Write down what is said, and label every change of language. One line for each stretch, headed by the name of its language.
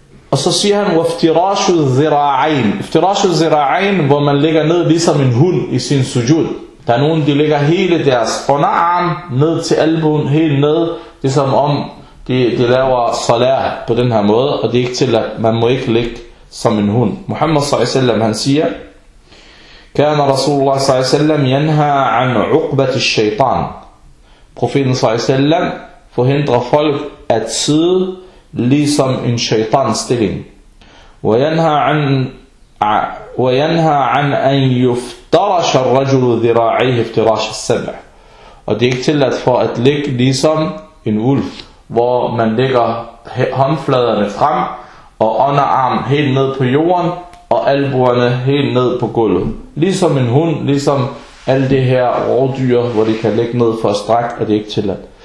Danish: Og så siger han, waftirashu zira'ayn. Waftirashu zira'ayn, hvor man ligger ned ligesom en hund i sin sujud. Der er nogen, de ligger hele deres underarm ned til albuen, helt ned, ligesom om de laver salat på den her måde, og det er ikke tilladt, man må ikke ligge som en hund. Muhammad s.a.w. han siger,
Arabic: كان رسول الله صلى الله عليه وسلم ينهى عن عقبة الشيطان.
Danish: Profeten صلى الله عليه وسلم forhindrer folk at sidde ligesom en shaitans stilling.
Arabic: وينهى عن أن يفترش الرجل ذراعيه افتراش السبع.
Danish: Og det er ikke tilladt for at ligge ligesom en ulv, hvor man lægger håndfladerne frem og underarm helt ned på jorden, og albuerne helt ned på gulvet. Ligesom en hund, ligesom alle de her rådyr, hvor de kan ligge ned for at strække, er det ikke tilladt.